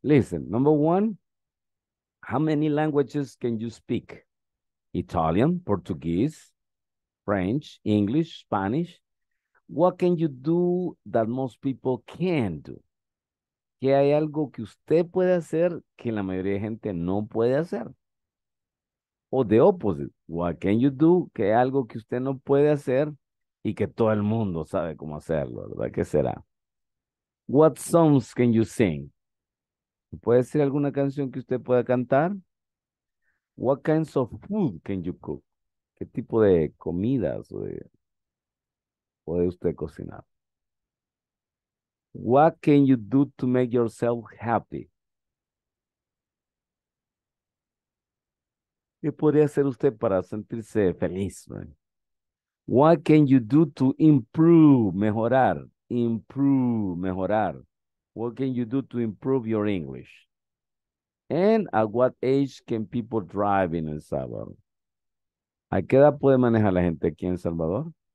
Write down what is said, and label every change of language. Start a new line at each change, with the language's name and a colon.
English: Listen, number one, how many languages can you speak? Italian, Portuguese, French, English, Spanish. What can you do that most people can't do?
Spanish: ¿Qué hay algo que usted puede hacer que la mayoría de gente no puede hacer? O
English: the opposite, what can you do
Spanish: que hay algo que usted no puede hacer y que todo el mundo sabe cómo hacerlo, ¿verdad? ¿Qué será?
English: What songs can you sing?
Spanish: ¿Puede ser alguna canción que usted pueda cantar?
English: What kinds of food can you cook?
Spanish: ¿Qué tipo de comidas puede usted cocinar?
English: What can you do to make yourself happy?
Spanish: ¿Qué podría hacer usted para sentirse feliz?
English: Right? What can you do to improve,
Spanish: mejorar?
English: Improve,
Spanish: mejorar.
English: What can you do to improve your English? And at what age can people drive in El Salvador?
Spanish: ¿A qué edad puede manejar la gente aquí en El Salvador?